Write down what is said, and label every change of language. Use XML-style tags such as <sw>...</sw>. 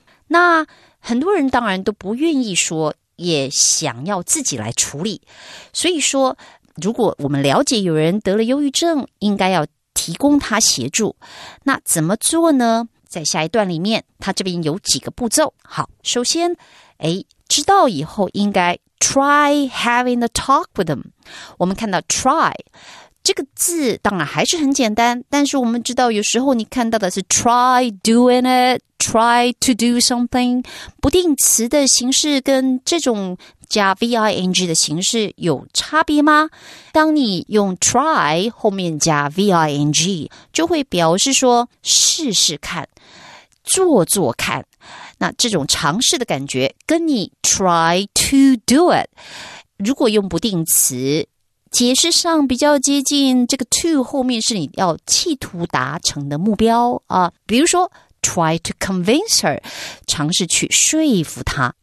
<zh>那很多人当然都不愿意说，也想要自己来处理。所以说，如果我们了解有人得了忧郁症，应该要提供他协助。那怎么做呢？在下一段里面，他这边有几个步骤。好，首先，知道以后应该</zh> <en>try having a talk with them。</en> <zh>我们看到 try。这个字当然还是很简单，但是我们知道有时候你看到的是</zh> <en>try doing it, try to do something,</en> <zh>不定词的形式跟这种加 ving 的形式有差别吗？当你用 try 后面加 ving, 就会表示说试试看，做做看，那这种尝试的感觉跟你</zh> <en>try to do it,</en> <zh>如果用不定词解释上比较接近，这个 to 后面是你要企图达成的目标啊，比如说</zh> <en>try to convince her,</en> <zh>尝试去说服她。</zh>